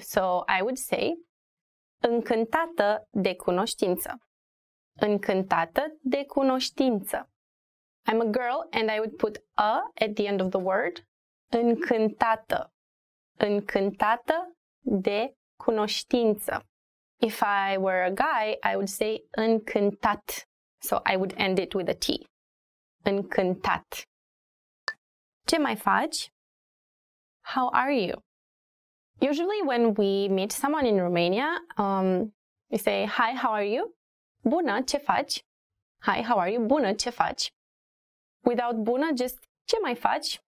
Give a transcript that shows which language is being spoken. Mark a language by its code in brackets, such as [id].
[en] So I would say [ro] încântată de cunoștință. Încântată de cunoștință. [en] I'm a girl and I would put a at the end of the word. [ro] Încântată. Încântată de cunoștință. [en] If I were a guy, I would say încântat. So I would end it with a T. [ro] Încântat. Ce mai faci? [en] How are you? Usually when we meet someone in Romania, we say, hi, how are you? [ro] Bună, ce faci? [en] Hi, how are you? [ro] Bună, ce faci? [en] Without bună, just [ro] ce mai faci?